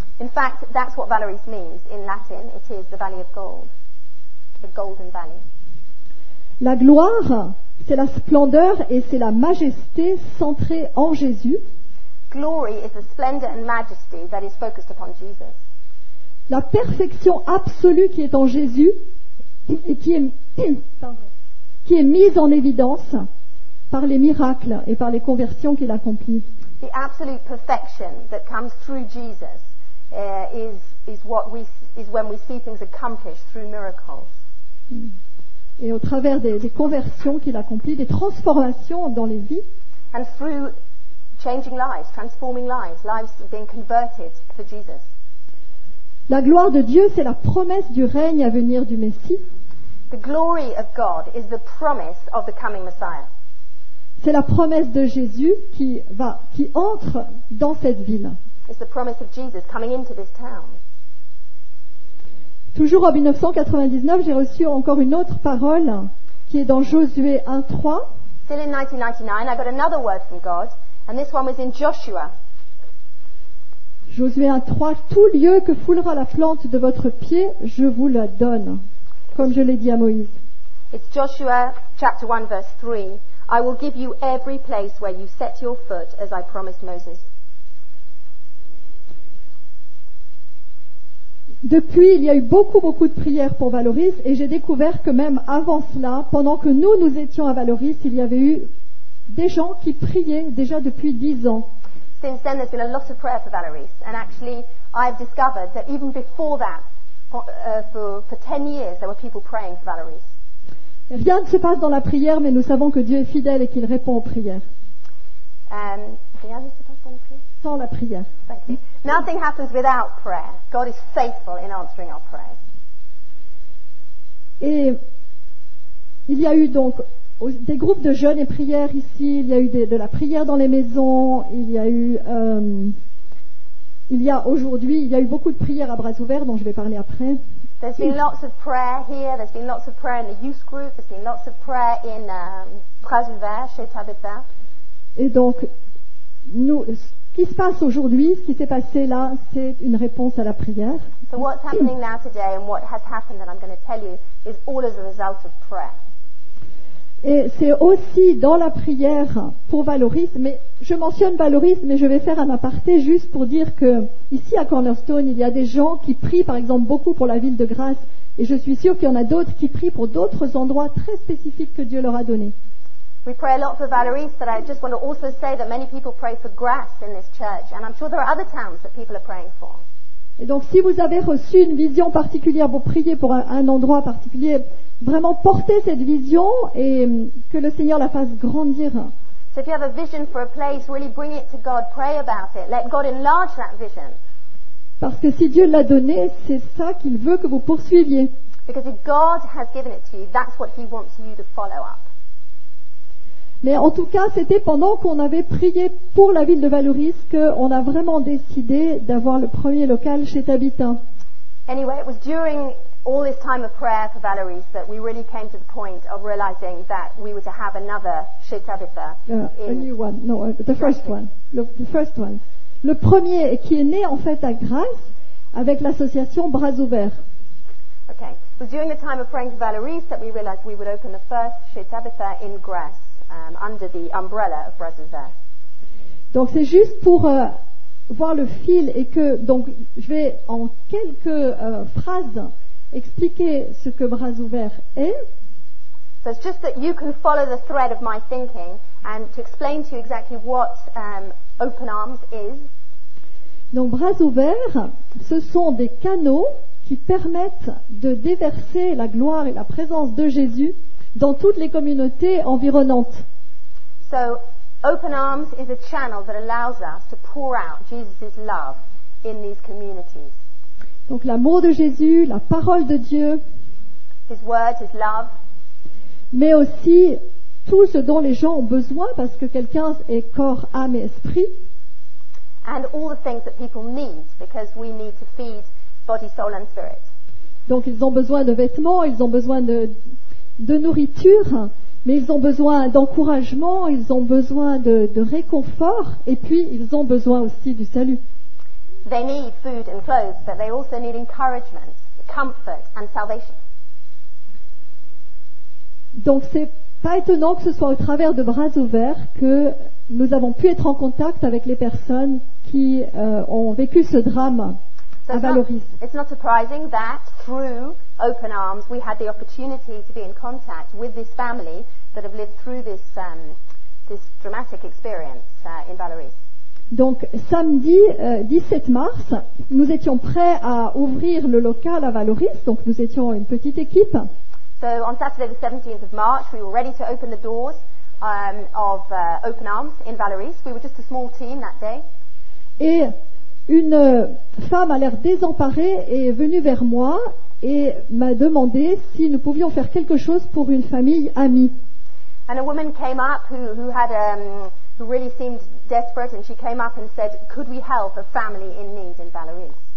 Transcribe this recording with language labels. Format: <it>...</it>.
<en>In fact, that's what Valoris means in Latin. It is the valley of gold, the golden valley.</en> <fr>La gloire, c'est la splendeur et c'est la majesté centrée en Jésus.</fr> <en>Glory is the splendor and majesty that is focused upon Jesus.</en> <fr>La perfection absolue qui est en Jésus. Et qui est mise en évidence par les miracles et par les conversions qu'il accomplit.</fr> <en>The absolute perfection that comes through Jesus is when we see things accomplished through miracles.</en> <fr>Et au travers des conversions qu'il accomplit, des transformations dans les vies.</fr> <en>And through changing lives, transforming lives, lives being converted for Jesus.</en> <fr>La gloire de Dieu, c'est la promesse du règne à venir du Messie.</fr> <en>The glory of God is the promise of the coming Messiah.</en> <fr>C'est la promesse de Jésus qui entre dans cette ville.</fr> <en>It's the promise of Jesus coming into this town.</en> <fr>Toujours en 1999, j'ai reçu encore une autre parole qui est dans Josué 1:3.</fr> <en>Still in 1999, I got another word from God, and this one was in Joshua.</en> <fr>Josué 1:3, tout lieu que foulera la plante de votre pied, je vous le donne. Comme je l'ai dit à Moïse.</fr> <en>It's Joshua chapter 1 verse 3. I will give you every place where you set your foot as I promised Moses.</en> <fr>Depuis, il y a eu beaucoup de prières pour Valoris et j'ai découvert que même avant cela, pendant que nous étions à Valoris, il y avait eu des gens qui priaient déjà depuis 10 ans.</fr> <en>Since then there's been a lot of prayer for Valoris and actually I've discovered that even before that for 10 years there were people praying for Valoris.</en> <fr>Rien ne se passe dans la prière mais nous savons que Dieu est fidèle et qu'il répond aux prières. Rien ne se passe dans la prière. Sans la prière.</fr> <en>Thank you. Nothing happens without prayer. God is faithful in answering our prayers.</en> <fr>Et il y a eu donc des groupes de jeûne et prière ici, il y a eu de la prière dans les maisons, il y a eu il y a aujourd'hui, il y a eu beaucoup de prières à bras ouverts dont je vais parler après.</fr> <en>There's been lots of prayer here, there's been lots of prayer in the youth group, there's been lots of prayer in bras ouverts chez Tabitha.</en> <fr>Et donc, nous, ce qui se passe aujourd'hui, ce qui s'est passé là, c'est une réponse à la prière.</fr> <en>So what's happening now today and what has happened that I'm going to tell you is all as a result of prayer.</en> <fr>Et c'est aussi dans la prière pour Valoris, mais je mentionne Valoris, mais je vais faire un aparté juste pour dire que ici à Cornerstone, il y a des gens qui prient par exemple beaucoup pour la ville de Grasse, et je suis sûre qu'il y en a d'autres qui prient pour d'autres endroits très spécifiques que Dieu leur a donnés.</fr> <en>We pray a lot for Valoris, but I just want to also say that many people pray for Grasse in this church, and I'm sure there are other towns that people are praying for.</en> <fr>Et donc si vous avez reçu une vision particulière pour prier pour un endroit particulier, vraiment portez cette vision et que le Seigneur la fasse grandir.</fr> <en>So if you have a vision for a place, really bring it to God, pray about it. Let God enlarge that vision.</en> <fr>Parce que si Dieu l'a donné, c'est ça qu'il veut que vous poursuiviez.</fr> <en>Because if God has given it to you, that's what he wants you to follow up.</en> <fr>Mais en tout cas, c'était pendant qu'on avait prié pour la ville de Valoris qu'on a vraiment décidé d'avoir le premier local chez Tabitha.</fr> <en>Anyway, it was during all this time of prayer for Valoris that we really came to the point of realizing that we were to have another chez Tabitha. A new one. No, the first one. The first one.</en> <fr>Le premier qui est né en fait à Grasse avec l'association Bras Ouverts.</fr> <en>Okay. It was during the time of praying for Valérie that we realized we would open the first chez Tabitha in Grasse under the umbrella of Bras Ouverts.</en> <fr>Donc c'est juste pour voir le fil et que donc je vais en quelques phrases expliquer ce que Bras Ouverts est.</fr> <en>So it's just that you can follow the thread of my thinking and to explain to you exactly what Open Arms is.</en> <fr>Donc Bras Ouverts, ce sont des canaux qui permettent de déverser la gloire et la présence de Jésus dans toutes les communautés environnantes.</fr> <en>So Open Arms is a channel that allows us to pour out Jesus' love in these communities.</en> <fr>Donc l'amour de Jésus, la parole de Dieu,</fr> <en>His word, His love,</en> <fr>mais aussi tout ce dont les gens ont besoin parce que quelqu'un est corps, âme et esprit.</fr> <en>And all the things that people need because we need to feed body, soul and spirit.</en> <fr>Donc ils ont besoin de vêtements, ils ont besoin de nourriture, mais ils ont besoin d'encouragement, ils ont besoin de réconfort et puis ils ont besoin aussi du salut.</fr> <en>They need food and clothes, but they also need encouragement, comfort and salvation.</en> <fr>Donc c'est pas étonnant que ce soit au travers de Bras Ouverts que nous avons pu être en contact avec les personnes qui ont vécu ce drame</fr> <en>so</en> <fr>à Valérie.</fr> <en>It's not surprising that through Open Arms we had the opportunity to be in contact with this family that have lived through this this dramatic experience in Valérie.</en> <fr>Donc samedi 17 mars, nous étions prêts à ouvrir le local à Valérie, donc nous étions une petite équipe.</fr> <en>So on Saturday the 17th of March, we were ready to open the doors of Open Arms in Valérie. We were just a small team that day.</en> <fr>Et une femme a l'air désemparée est venue vers moi et m'a demandé si nous pouvions faire quelque chose pour une famille amie.</fr> <en>And a woman came up who really seemed desperate, and she came up and said, "Could we help a family in need in Valérie?"</en>